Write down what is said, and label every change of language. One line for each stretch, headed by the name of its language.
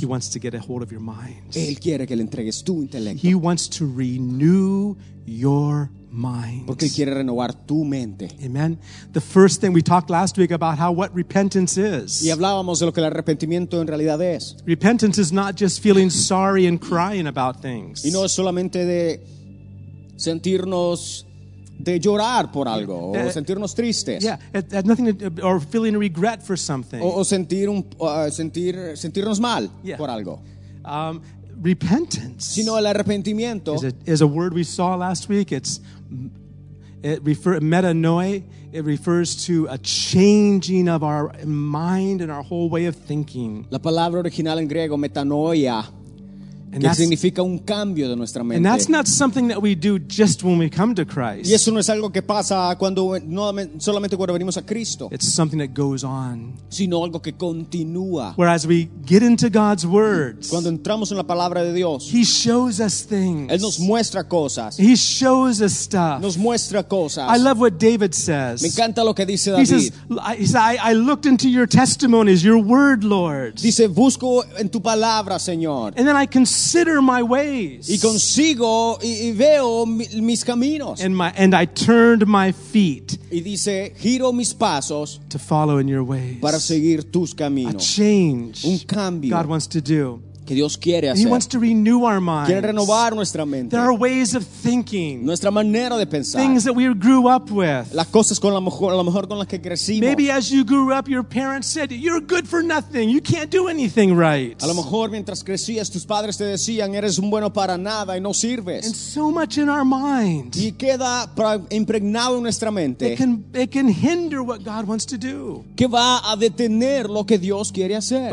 English: He wants to get a hold of your mind.
Spanish: Él quiere que le entregues tu intelecto.
English: He wants to renew your mind.
Spanish: Porque Él quiere renovar tu mente.
English: Amen. The first thing we talked last week about how what repentance is.
Spanish: Y hablábamos de lo que el arrepentimiento en realidad es.
English: Repentance is not just feeling sorry and crying about things.
Spanish: Y no es solamente de sentirnos de llorar por algo o sentirnos tristes.
English: Yeah, it has nothing or feeling regret for something.
Spanish: O sentirnos mal
English: yeah.
Spanish: por algo.
English: Repentance.
Spanish: Sino el arrepentimiento.
English: Is a word we saw last week. It refers to a changing of our mind and our whole way of thinking.
Spanish: La palabra original en griego metanoia Que significa un cambio de nuestra mente.
English: And that's not something that we do just when we come to Christ.
Spanish: Y eso no es algo que pasa cuando no solamente cuando venimos a Cristo.
English: It's something that goes on.
Spanish: Sino algo que continúa.
English: Whereas we get into God's words.
Spanish: Cuando entramos en la palabra de Dios.
English: He shows us things.
Spanish: Él nos muestra cosas.
English: He shows us stuff.
Spanish: Nos muestra cosas.
English: I love what David says.
Spanish: Me encanta lo que dice David.
English: He says, I looked into your testimonies, your word, Lord.
Spanish: Dice, busco en tu palabra, Señor.
English: And then I consider my ways.
Spanish: Y consigo y veo mis caminos.
English: And I turned my feet.
Spanish: Y dice, giro mis pasos
English: to follow in your ways.
Spanish: Para seguir tus caminos.
English: A change.
Spanish: Un cambio.
English: God wants to do.
Spanish: Que Dios quiere hacer.
English: He wants to renew our minds.
Spanish: Quiere renovar nuestra mente.
English: There are ways of thinking.
Spanish: Nuestra manera de pensar.
English: Things that we grew up with.
Spanish: Las cosas con la mejor con las que crecimos.
English: Maybe as you grew up, your parents said you're good for nothing. You can't do anything right.
Spanish: A lo mejor mientras crecías, tus padres te decían eres un bueno para nada y no sirves.
English: And so much in our mind.
Spanish: Y queda impregnado en nuestra mente.
English: It can hinder what God wants to do.
Spanish: Que va a detener lo que Dios quiere hacer.